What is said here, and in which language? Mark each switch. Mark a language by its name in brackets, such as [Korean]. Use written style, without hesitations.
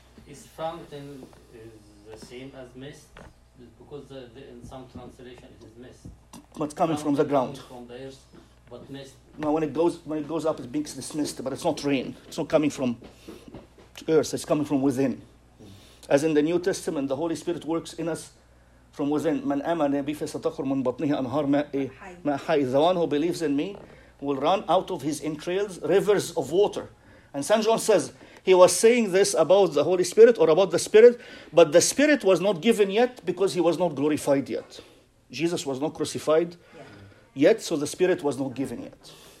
[English] Is fountain the same as mist? Because in some translation it is mist. But coming from the ground. From the earth, but mist. Now when it goes up, it makes this mist, but it's not rain. It's not coming from earth. It's coming from within. As in the New Testament, the Holy Spirit works in us from within. [Arabic] من آمن بي في ستقر من بطنه أنهار ماء حي. [English] The one who believes in me will run out of his entrails rivers of water. And St. John says, he was saying this about the Holy Spirit or about the Spirit, but the Spirit was not given yet because he was not glorified yet. Jesus was not crucified yet, so the Spirit was not given yet.